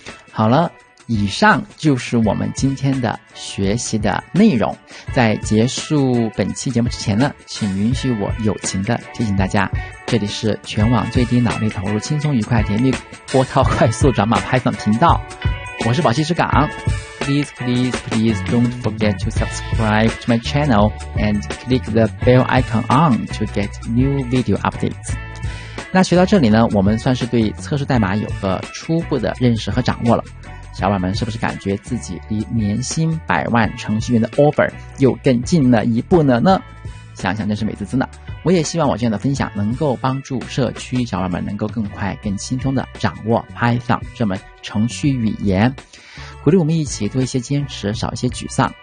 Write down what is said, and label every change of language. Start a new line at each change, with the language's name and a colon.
Chinese: 好了，以上就是我们今天的学习的内容。在结束本期节目之前呢，请允许我友情的提醒大家，这里是全网最低脑力投入、轻松愉快、甜蜜波涛快速转码 Python 频道，我是宝鸡之港。
English: Please please please don't forget to subscribe to my channel and click the bell icon on to get new video updates。
Chinese: 那学到这里呢，我们算是对测试代码有个初步的认识和掌握了。小伙伴们是不是感觉自己离年薪百万程序员的 offer 又更近了一步呢？想想真是美滋滋呢。我也希望我这样的分享能够帮助社区小伙伴们能够更快更轻松地掌握 Python 这门程序语言，鼓励我们一起多一些坚持，少一些沮丧。